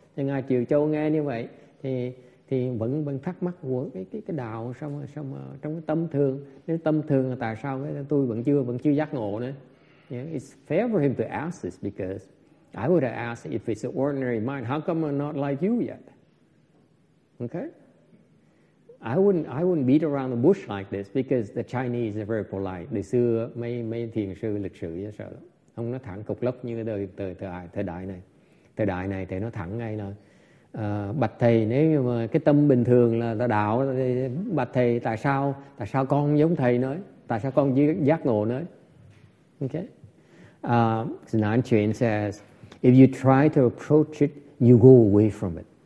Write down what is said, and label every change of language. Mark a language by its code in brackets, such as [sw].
[vi] Thì ngài Triệu Châu nghe như vậy thì vẫn thắc mắc của cái đạo xong trong cái tâm thường. Nếu tâm thường là tại sao tôi vẫn chưa giác ngộ nữa. [en] Yeah, it's fair for him to ask this because I would have asked if it's an ordinary mind, how come I'm not like you yet? Okay? I wouldn't beat around the bush like this because the Chinese are very polite. [vi] Đời xưa mấy thiền sư lịch sử vậy sợ lắm. Không, nó thẳng cục lốc như thời đại này. Thời đại này thì nó thẳng ngay là bạch thầy, nếu như mà cái tâm bình thường là đạo thì bạch thầy tại sao con giống thầy nói? Tại sao con giác ngộ nói? Okay. [en] Nan Chuyển says, if you try to approach it, you go away from it.